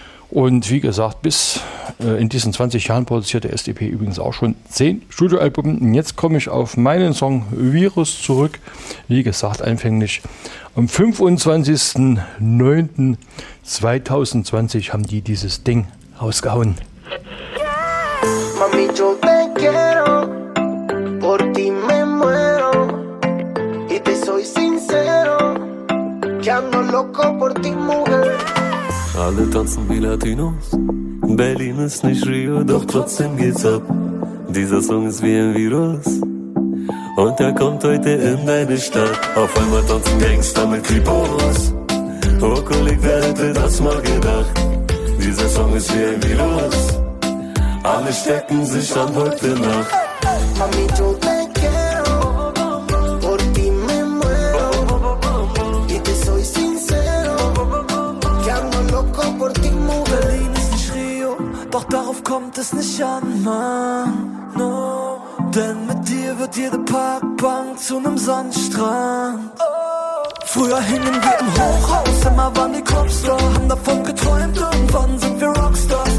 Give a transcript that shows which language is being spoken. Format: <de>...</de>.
<de>Und wie gesagt, bis in diesen 20 Jahren produzierte SDP übrigens auch schon 10 Studioalben. Und jetzt komme ich auf meinen Song Virus zurück. Wie gesagt, anfänglich am 25.09.2020 haben die dieses Ding rausgehauen.</de> <es>Mami, yo te quiero, por ti me muero, y te soy sincero, que ando loco por ti, mujer.</es> <de>Alle tanzen wie Latinos, Berlin ist nicht Rio, doch trotzdem geht's ab. Dieser Song ist wie ein Virus, und er kommt heute in deine Stadt. Auf einmal tanzen Gangster mit Kripos, oh Kollege, wer hätte das mal gedacht. Dieser Song ist wie ein Virus, alle stecken sich an heute Nacht.</de> <es>Mami, yo te quiero, por ti me muero, y te soy sincero, que ando loco por ti, mujer.</es> <de>Berlin ist nicht Rio, doch darauf kommt es nicht an, Mann, no. Denn mit dir wird jede Parkbank zu nem Sandstrand. Früher hingen wir im Hochhaus, immer waren die Clubs da, haben davon geträumt, irgendwann sind wir Rockstars.</de>